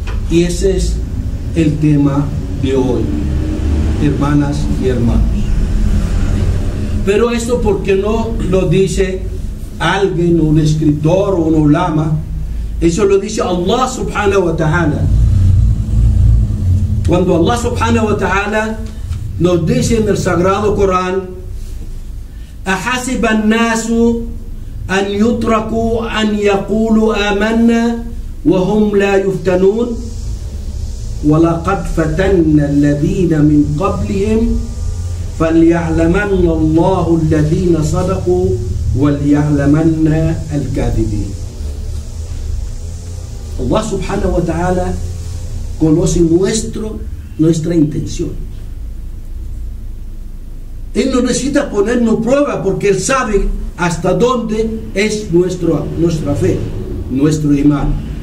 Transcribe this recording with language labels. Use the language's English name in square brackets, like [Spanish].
[Spanish] Y ese es el tema de hoy, hermanas y hermanos. Pero esto, ¿por qué no lo dice alguien, un escritor o un ulama? Eso lo dice Allah subhanahu wa ta'ala. Cuando Allah subhanahu wa ta'ala nos dice en el Sagrado Corán, [Arabic] أَحَسِبَ النَّاسُ أَنْ يُتْرَكُوا أَنْ يَقُولُوا آمَنَّا وَهُمْ لَا يُفْتَنُونَ وَلَقَدْ فَتَنَّ الَّذِينَ مِنْ قَبْلِهِمْ فَلْيَعْلَمَنَّ اللَّهُ الَّذِينَ صَدَقُوا وَلْيَعْلَمَنَّ الْكَاذِبِينَ. [Spanish] Allah subhanahu wa ta'ala conoce nuestra intención. Él no necesita ponernos prueba porque Él sabe hasta dónde es nuestra fe, nuestro imán.